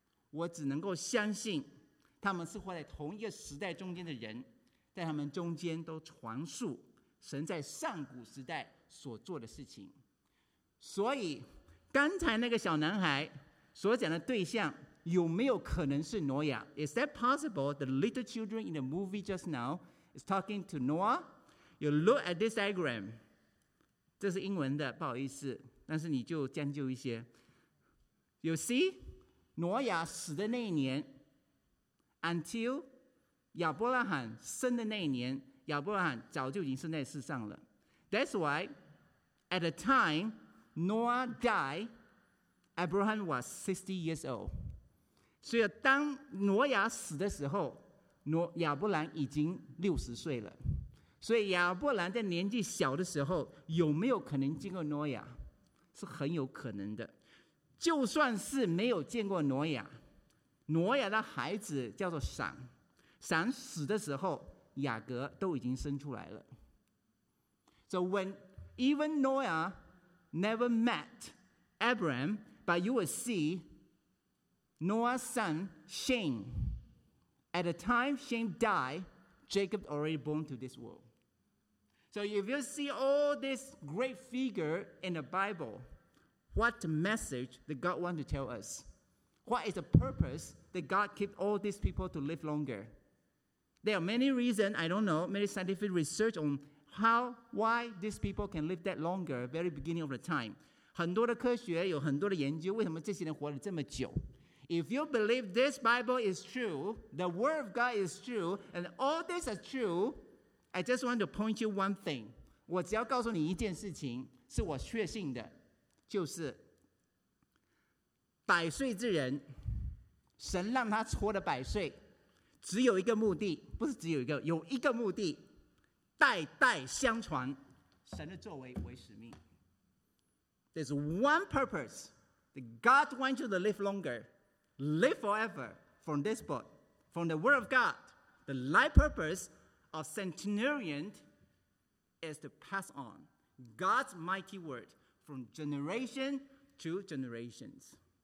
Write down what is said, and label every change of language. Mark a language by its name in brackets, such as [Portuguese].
[Chinese] 我只能够相信他们是活在同一个时代中间的人，在他们中间都传述神在上古时代所做的事情。所以刚才那个小男孩所讲的对象有没有可能是挪亚？ [English] Is that possible the little children in the movie just now is talking to Noah? You look at this diagram. [Chinese] 这是英文的，不好意思，但是你就将就一些。 [English] You see [Chinese] 挪亚死的那一年 [English] Until [Chinese] 亚伯拉罕生的那一年，亚伯拉罕早就已经生在世上了。 [English] That's why, at the time Noah died, Abraham was 60 years old. [Chinese] 所以当挪亚死的时候，亚伯兰已经60岁了。所以亚伯兰在年纪小的时候，有没有可能见过挪亚？是很有可能的。就算是没有见过挪亚，挪亚的孩子叫做闪，闪死的时候雅各都已经生出来了。 [English] So when even Noah never met Abraham, but you will see Noah's son Shem. At the time Shem died, Jacob already born to this world. So if you see all this great figure in the Bible, what message did God want to tell us? What is the purposeThat God keep all these people to live longer. There are many reasons, I don't know, many scientific research on how, why these people can live that longer, very beginning of the time. [Chinese] 很多的科学有很多的研究，为什么这些人活了这么久？ [English] If you believe this Bible is true, the word of God is true, and all this is true, I just want to point you one thing. [Chinese] 我只要告诉你一件事情，是我确信的，就是百岁之人神让他活了百岁，只有一个目的，不是只有一个，有一个目的，代代相传，神的作为为使命。 [English] There's one purpose that God wants you to live longer, live forever from this book, from the Word of God. The life purpose of centenarian is to pass on God's mighty word from generation to generations.